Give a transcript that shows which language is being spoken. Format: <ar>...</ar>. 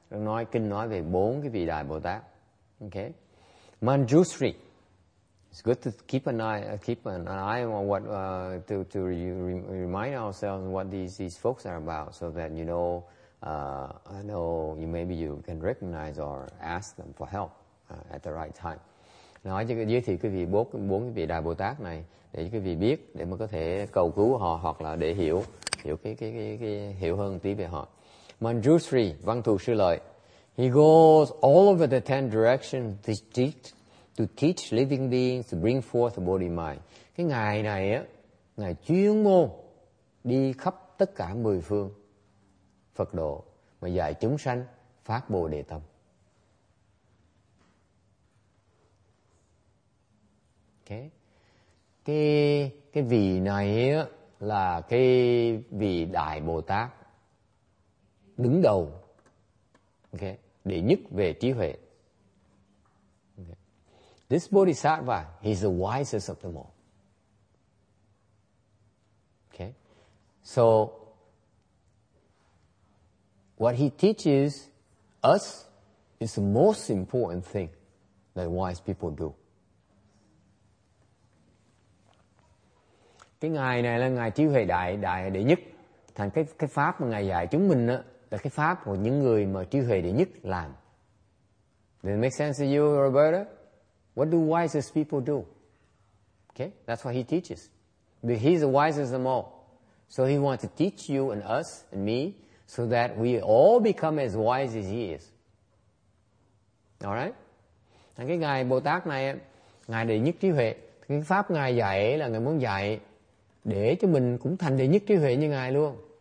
<vi>Nói kinh nói về bốn cái vị đại Bồ Tát.</vi> <en>Okay. Manjushri. It's good to keep an eye on what to remind ourselves what these folks are about, so that you know I know you, maybe you can recognize or ask them for help at the right time.</en> <vi>Nói cho giới thiệu quý vị bốn vị Đại Bồ Tát này để quý vị biết, để mà có thể cầu cứu họ hoặc là để hiểu cái hiểu hơn tí về họ.</vi> <en>Manjushri, Văn Thù Sư Lợi, he goes all over the 10 directions to teach living beings to bring forth the body mind.</en> <vi>Cái ngài này á, ngài chuyên môn đi khắp tất cả 10 phương Phật độ mà dạy chúng sanh phát Bồ Đề Tâm. Okay. Cái vị này á, là cái vị Đại Bồ Tát đứng đầu, okay, để nhất về trí huệ.</vi> <en>Okay. This Bodhisattva, he's the wisest of them all. Okay. So, what he teaches us is the most important thing that wise people do.</en> <vi>Cái ngài này là ngài trí huệ đại đệ nhất. Thành cái pháp mà ngài dạy chúng mình đó, là cái pháp của những người mà trí huệ đệ nhất làm.</vi> <en>Does it make sense to you, Roberta? What do wisest people do? Okay, that's what he teaches. But he's the wisest of all. So he wants to teach you and us and me so that we all become as wise as he is. Alright?</en> <vi>Thành cái ngài Bồ Tát này, ngài đệ nhất trí huệ, cái pháp ngài dạy là ngài muốn dạy để cho mình cũng thành đệ nhất trí huệ như ngài luôn.</vi>